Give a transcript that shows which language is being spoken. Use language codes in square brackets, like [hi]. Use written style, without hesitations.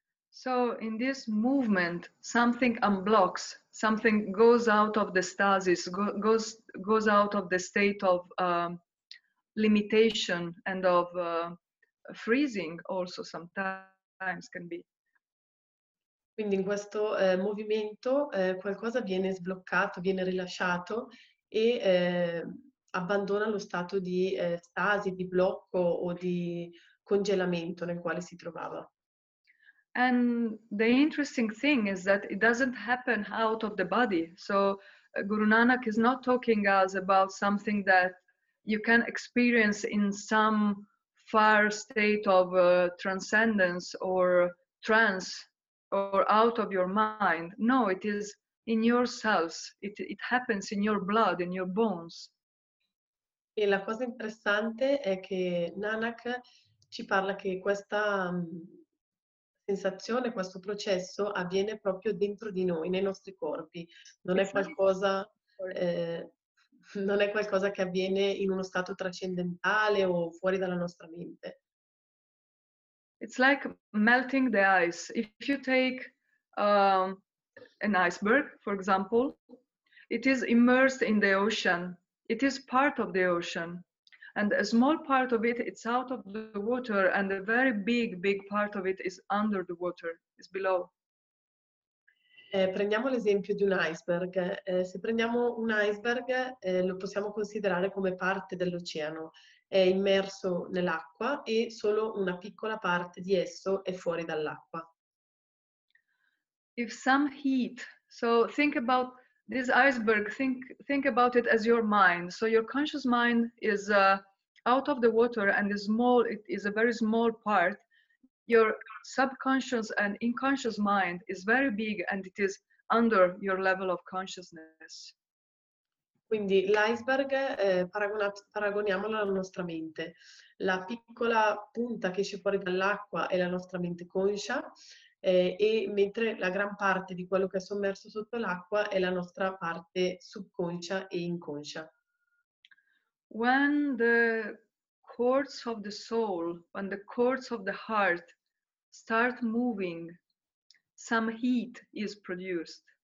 [en] So in this movement something unblocks, something goes out of the stasis, goes out of the state of limitation and of freezing also sometimes can be. [it] Quindi in questo movimento qualcosa viene sbloccato, viene rilasciato e abbandona lo stato di stasi, di blocco o di congelamento nel quale si trovava. [en] And the interesting thing is that it doesn't happen out of the body. So Guru Nanak is not talking us about something that you can experience in some far state of transcendence or trance. Or out of your mind. No, it is in your cells. It happens in your blood, in your bones. [it] E la cosa interessante è che Nanak ci parla che questa sensazione, questo processo avviene proprio dentro di noi, nei nostri corpi. Non è qualcosa che avviene in uno stato trascendentale o fuori dalla nostra mente. [en] It's like melting the ice. If you take an iceberg, for example, it is immersed in the ocean. It is part of the ocean. And a small part of it, it's out of the water, and a very big, big part of it is under the water, is below. [it] Prendiamo l'esempio di un iceberg. Se prendiamo un iceberg, lo possiamo considerare come parte dell'oceano. È immerso nell'acqua e solo una piccola parte di esso è fuori dall'acqua. [en] If some heat, so think about this iceberg, think about it as your mind. So your conscious mind is out of the water and is small, it is a very small part. Your subconscious and unconscious mind is very big and it is under your level of consciousness. [it] Quindi l'iceberg, paragoniamolo alla nostra mente. La piccola punta che esce fuori dall'acqua è la nostra mente conscia, e mentre la gran parte di quello che è sommerso sotto l'acqua è la nostra parte subconscia e inconscia. [en] When the cords of the soul, when the cords of the heart start moving, some heat is produced.